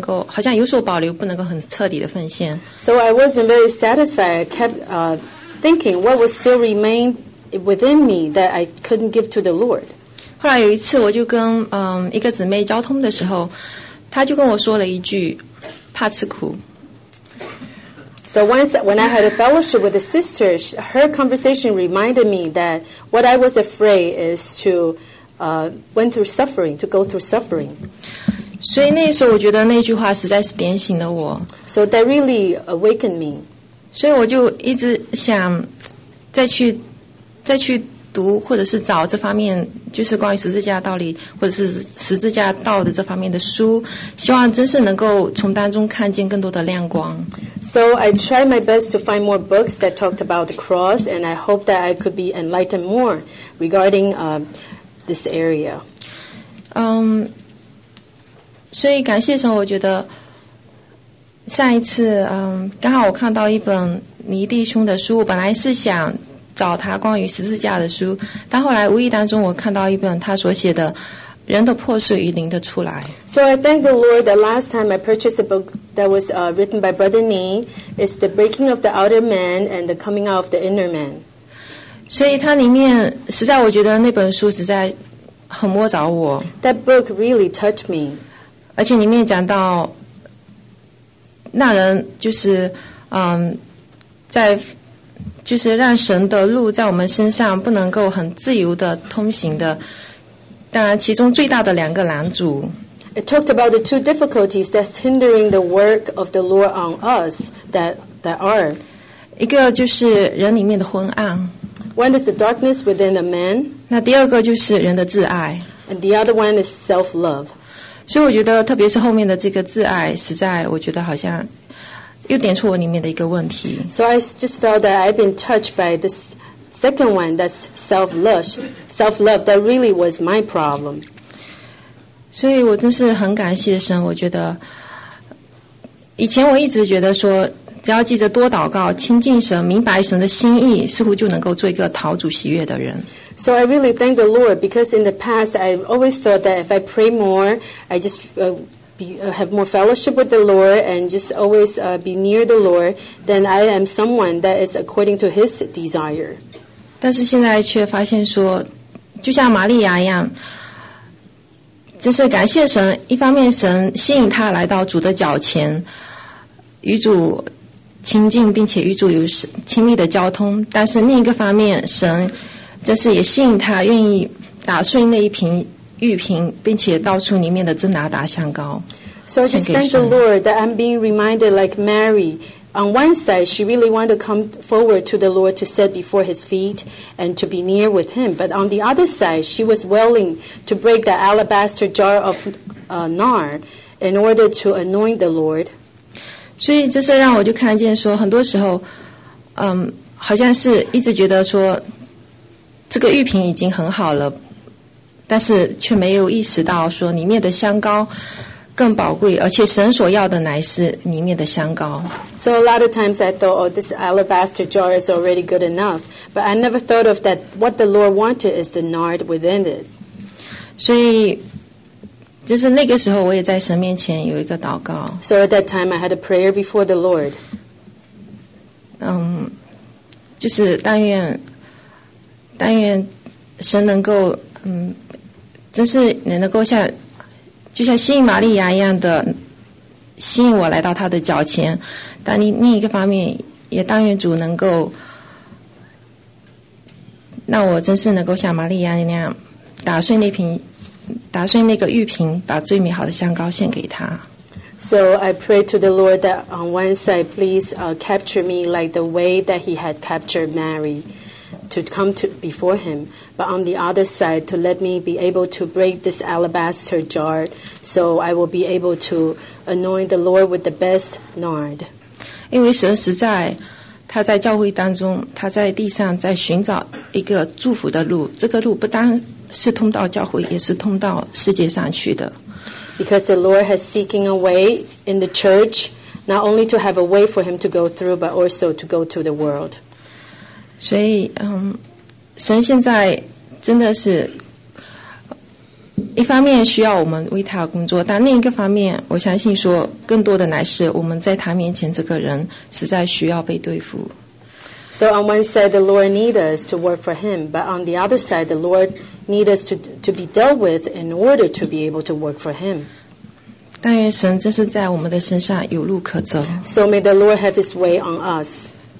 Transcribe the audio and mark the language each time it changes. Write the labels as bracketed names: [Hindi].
[Chinese] 所以我就一直觉得好像很不满意，到底是什么东西在里面让我好像不能够，好像有所保留，不能够很彻底的奉献。 [English] So I wasn't very satisfied. I kept thinking what would still remain within me that I couldn't give to the Lord. [Chinese] 后来有一次我就跟一个姊妹交通的时候，她就跟我说了一句，怕吃苦。 [English] So once when I had a fellowship with a sister, her conversation reminded me that what I was afraid is to went through suffering, to go through suffering. [Chinese] 所以那时候我觉得那句话实在是点醒了我。 [English] So that really awakened me. [Chinese] 所以我就一直想再去读或者是找这方面。就是关于十字架道理或者是十字架道的这方面的书希望真是能够从当中看见更多的亮光 [English] So I tried my best to find more books that talked about the cross and I hope that I could be enlightened more regarding this area [Chinese] 所以感谢神我觉得上一次刚好我看到一本尼弟兄的书我本来是想找他关于十字架的书但后来无意当中我看到一本他所写的人的破碎与灵的出来 [English] So I thank the Lord that last time I purchased a book that was written by Brother Nee It's the breaking of the outer man and the coming out of the inner man [Chinese] 所以他里面实在我觉得那本书实在很摸着我 [English] That book really touched me [Chinese] 而且里面讲到那人就是在就是让神的路在我们身上不能够很自由的通行的当然其中最大的两个拦阻 [English] It talked about the two difficulties that's hindering the work of the Lord on us that are [Chinese] 一个就是人里面的昏暗 [English] One is the darkness within a man [Chinese] 那第二个就是人的自爱 [English] And the other one is self-love [Chinese] 所以我觉得特别是后面的这个自爱实在我觉得好像又点出我里面的一个问题 [English] So I just felt that I've been touched by this second one that's self-love that really was my problem [Chinese] 所以我真是很感谢神我觉得以前我一直觉得说只要记着多祷告亲近神明白神的心意似乎就能够做一个讨主喜悦的人 [English] So I really thank the Lord because in the past I always felt that if I pray more I justhave more fellowship with the Lord and just always be near the Lord then I am someone that is according to his desire [Chinese] 但是现在却发现说就像玛利亚一样真是感谢神一方面神吸引他来到主的脚前与主亲近并且与主有亲密的交通但是另一个方面神真是也吸引他愿意打碎那一瓶玉瓶并且倒出里面的真拿达香膏 [English] So I just thank the Lord that I'm being reminded like Mary on one side she really wanted to come forward to the Lord to sit before his feet and to be near with him but on the other side she was willing to break the alabaster jar of nard in order to anoint the Lord [Chinese] 所以这是让我就看见说很多时候好像是一直觉得说这个玉瓶已经很好了但是却没有意识到说里面的香膏更宝贵而且神所要的乃是里面的香膏 [English] So a lot of times I thought oh, this alabaster jar is already good enough but I never thought of that what the Lord wanted is the nard within it [Chinese] 所以就是那个时候我也在神面前有一个祷告 [English] So at that time I had a prayer before the Lord [Chinese] 就是但愿神能够真是能够像就像吸引玛利亚一样的吸引我来到他的脚前但另一个方面也但愿主能够让我真是能够像玛利亚那样打碎那个玉瓶把最美好的香膏献给他 [English] So I pray to the Lord that on one side please capture me like the way that he had captured Mary to come to before him but on the other side to let me be able to break this alabaster jar so I will be able to anoint the Lord with the best nard [Chinese] 因为神实在他在教会当中他在地上在寻找一个祝福的路这个路不单是通到教会也是通到世界上去的 [English] because the Lord has seeking a way in the church not only to have a way for him to go through but also to go to the world [Chinese] 所以神现在真的是一方面需要我们为他工作但另一个方面我相信说更多的乃是我们在他面前这个人实在需要被对付 [English] So on one side the Lord needs us to work for him but on the other side the Lord needs us to be dealt with in order to be able to work for him [Chinese] 但愿神真是在我们的身上有路可走 [English] So may the Lord have his way on us